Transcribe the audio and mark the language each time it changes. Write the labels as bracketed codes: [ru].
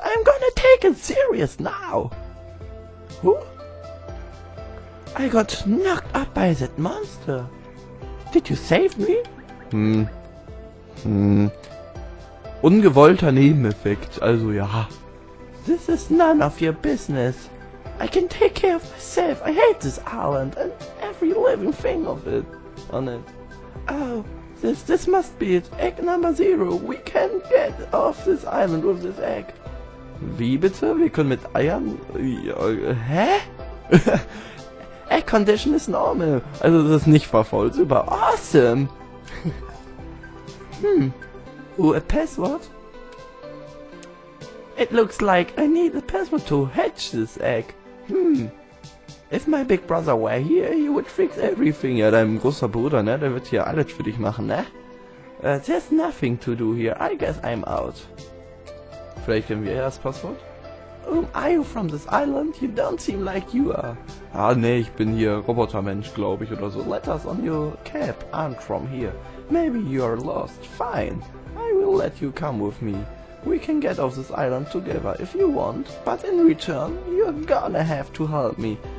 [en] I'm gonna take it serious now. Who? I got knocked up by that monster. Did you save me? [de] Ungewollter Nebeneffekt, also ja. [en] This is none of your business. I can take care of myself. I hate this island and every living thing of it. On it. Oh, this must be it. Egg number zero. We can get off this island with this egg. [de] Wie bitte? Wir können mit Eiern... Hä? [en] Egg condition is normal. [de] Also das ist nicht verfolgt. [en] Super. Awesome. Oh, a password? It looks like I need a password to hatch this egg. If my big brother were here, he would fix everything. [de] Ja, dein großer Bruder, ne? Der wird hier alles für dich machen, ne? [en] There's nothing to do here. I guess I'm out. [de] Vielleicht können wir das Passwort? [en] Are you from this island? You don't seem like you are. [de] Ah, ne, ich bin hier Robotermensch, glaube ich, oder so. [en] Letters on your cap aren't from here. Maybe you're lost. Fine. I will let you come with me. We can get off this island together if you want, but in return, you're gonna have to help me.